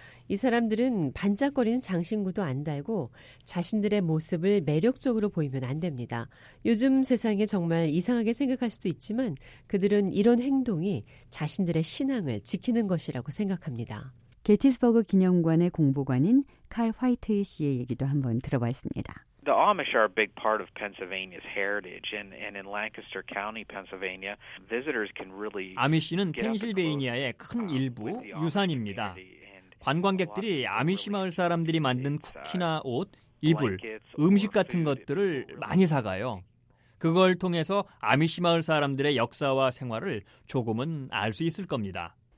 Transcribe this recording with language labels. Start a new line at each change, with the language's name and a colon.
Korean: 이 사람들은 반짝거리는 장신구도 안 달고 자신들의 모습을 매력적으로 보이면 안 됩니다. 요즘 세상에 정말 이상하게 생각할 수도 있지만 그들은 이런 행동이 자신들의 신앙을 지키는 것이라고 생각합니다. 게티스버그 기념관의 공보관인 칼 화이트 씨의 얘기도 한번 들어봤습니다.
English: The Amish are a big part of Pennsylvania's heritage, and in Lancaster County, Pennsylvania, visitors can really.
Korean: 아미시는 펜실베이니아의 큰 일부 유산입니다. 관광객들이 아미시 마을 사람들이 만든 쿠키나 옷, 이불, 음식 같은 것들을 많이 사가요. 그걸 통해서 아미시 마을 사람들의 역사와 생활을 조금은 알 수 있을 겁니다.